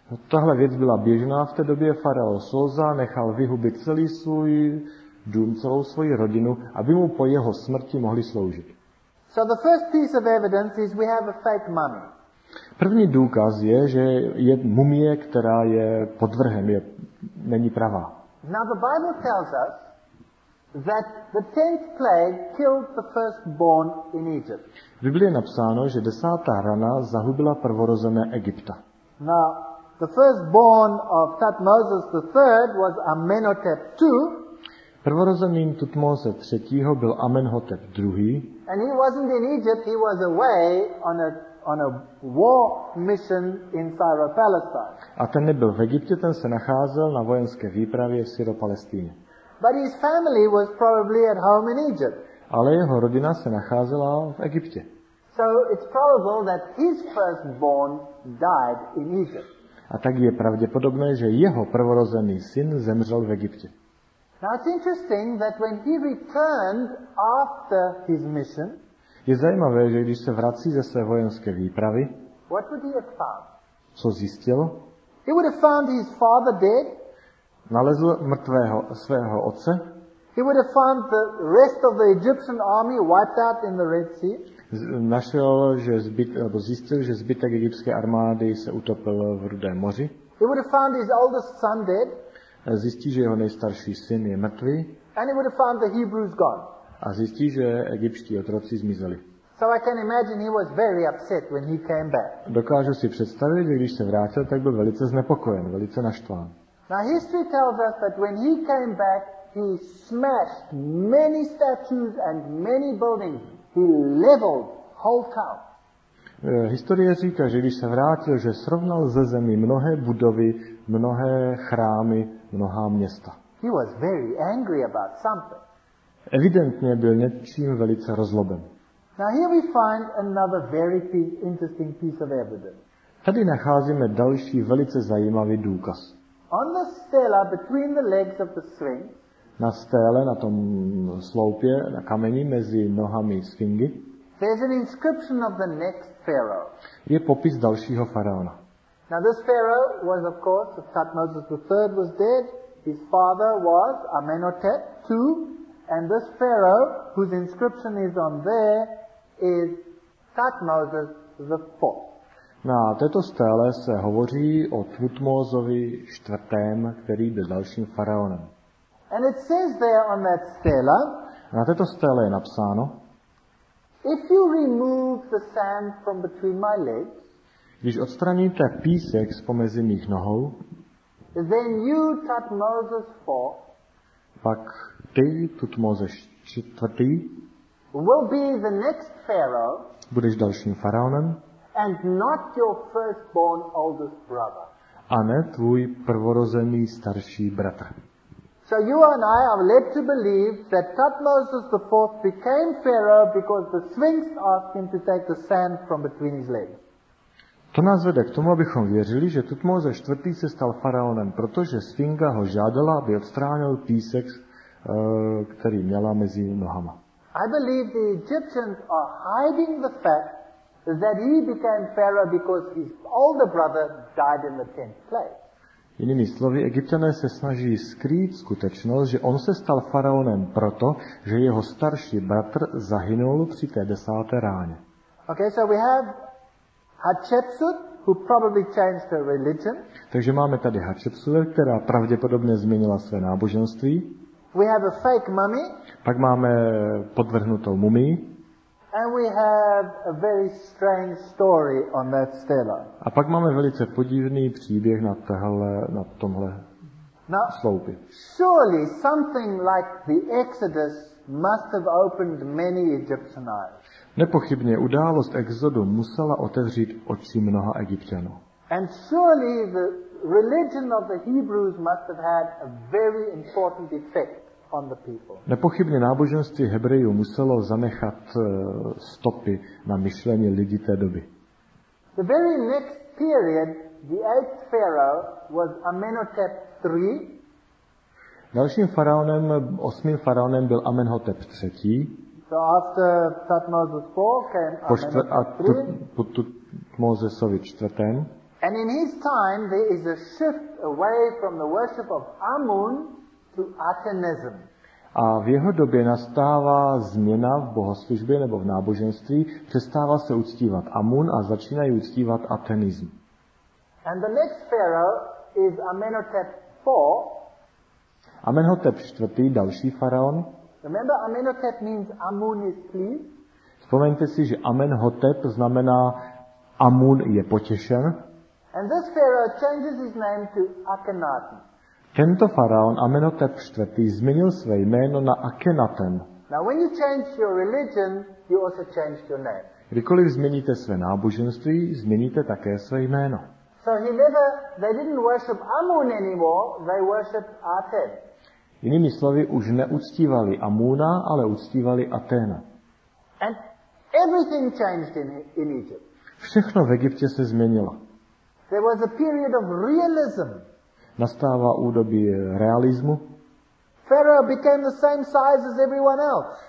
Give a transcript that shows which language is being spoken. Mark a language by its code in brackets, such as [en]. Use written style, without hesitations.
[cs] Tahle věc byla běžná v té době. Faraó Sosa nechal vyhubit celý svůj dům, celou svoji rodinu, aby mu po jeho smrti mohli sloužit. [en] So the first piece of evidence is we have a fake mummy. [cs] První důkaz je, že je mumie, která je podvrhem, je není pravá. [en] Now the Bible tells us that the tenth plague killed the firstborn in Egypt. [cs] V Biblii je napsáno, že desátá rana zahubila prvorozené Egypta. [en] Now the firstborn of Thutmose III was Amenhotep II. [cs] Prvorozeným Tutmose III. Byl Amenhotep II. [en] And he wasn't in Egypt, he was away on a war mission in Syro-Palestine. [cs] A ten nebyl v Egyptě, ten se nacházel na vojenské výpravě v Syro-Palestíně. [en] But his family was probably at home in Egypt. [cs] Ale jeho rodina se nacházela v Egyptě. [en] So it's probable that his firstborn died in Egypt. [cs] A tak je pravděpodobné, že jeho prvorozený syn zemřel v Egyptě. [en] Now it's interesting that when he returned after his mission, [cs] je zajímavé, že když se vrací ze své vojenské výpravy, [en] what would he have found? [cs] Co zjistil? [en] He would have found his father dead. [cs] Nalezl mrtvého svého otce. [en] He would have found the rest of the Egyptian army wiped out in the Red Sea. [cs] Našel, že zjistil, že zbytek egyptské armády se utopil v Rudém moři. [en] He would have found his oldest son dead. [cs] Zjistí, že jeho nejstarší syn je mrtvý. [en] And he would have found the Hebrews gone. [cs] A zjistí, že egyptští otroci zmizeli. [en] So I can imagine he was very upset when he came back. [cs] Dokážu si představit, že když se vrátil, tak byl velice znepokojen, velice naštván. [en] Now history tells us that when he came back, he smashed many statues and many buildings. He leveled whole town. [cs] Historie říká, že když se vrátil, že srovnal ze zemi mnohé budovy, mnohé chrámy, mnohá města. [en] He was very angry about something. [cs] Evidentně byl něčím velice rozloben. [en] Now here we find another very interesting piece of evidence. [cs] Tady nacházíme další velice zajímavý důkaz. [en] On the stela between the legs of the sphinx. [cs] Na stele, na tom sloupě, na kameni mezi nohami sfingy. [en] There's an inscription of the next pharaoh. [cs] Je popis dalšího faraona. [en] Now this pharaoh was of course Thutmose III was dead. His father was Amenhotep II. And this pharaoh, whose inscription is on there, is Thutmose IV. [cs] Na této stele se hovoří o Thutmózovi IV., který byl dalším faraonem. [en] And it says there on that stela, [cs] na této stele je napsáno, [en] if you remove the sand from between my legs, [cs] když odstraníte písek spomezi mých nohou, [en] then you, Thutmose IV, [cs] pak ty, Thutmose IV, [en] will be the next pharaoh, [cs] budeš dalším faraonem, [en] and not your firstborn oldest brother. [cs] A ne tvůj prvorozený starší bratr. [en] So you and I are led to believe that Thutmose IV became pharaoh because the Sphinx asked him to take the sand from between his legs. [cs] To nás vede k tomu, abychom věřili, že Thutmose IV. Se stal faraonem, protože Sfinga ho žádala, aby odstránil písek, který měla mezi nohama. [en] I believe the Egyptians are hiding the fact that he became pharaoh because his older brother died in the tenth plague. [cs] Jinými slovy, Egypťané se snaží skrýt skutečnost, že on se stal faraonem proto, že jeho starší bratr zahynul při té desáté ráně. [en] Okay, so we have Hatshepsut, who probably changed her religion. [cs] Takže máme tady Hatshepsut, která pravděpodobně změnila své náboženství. [en] We have a fake mummy. [cs] Pak máme podvrhnutou mumii. [en] And we have a very strange story on that stela. [cs] A pak máme velice podivný příběh na tohle, na tomhle sloupě. [en] Surely something like the Exodus must have opened many Egyptian eyes. [cs] Nepochybně událost exodu musela otevřít oči mnoha Egypťanů. [en] And surely the religion of the Hebrews must have had a very important effect on the people. [cs] Nepochybně náboženství Hebrejů muselo zanechat stopy na myšlení lidí té doby. [en] The very next period, the eighth pharaoh was Amenhotep III. [cs] Dalším faraonem, osmým faraonem byl Amenhotep III. [en] So after Thutmose IV came [cs] Thutmosesovi IV. [en] And in his time there is a shift away from the worship of Amun to Atenism. [cs] A v jeho době nastává změna v bohoslužbě nebo v náboženství, přestává se uctívat Amun a začínají uctívat Atenism. [en] And the next pharaoh is Amenhotep IV. [cs] Amenhotep IV., další faraon. [en] Remember, Amenhotep means Amun is pleased. [cs] Vzpomeňte si, že Amenhotep znamená Amun je potěšen. [en] And this pharaoh changes his name to Akhenaten. [cs] Tento faraon Amenhotep IV. Změnil své jméno na Akhenaten. [en] Now when you change your religion, you also change your name. [cs] Kdykoliv změníte své náboženství, změníte také své jméno. [en] So he never, they didn't worship Amun anymore, they worshiped Aten. [cs] Jinými slovy, už neuctívali Amuna, ale uctívali Aténa. [en] And Everything changed in Egypt. [cs] Všechno v Egyptě se změnilo. [en] There was a period of realism. [cs] Nastává údobí realismu. [en] Pharaoh became the same size as everyone else.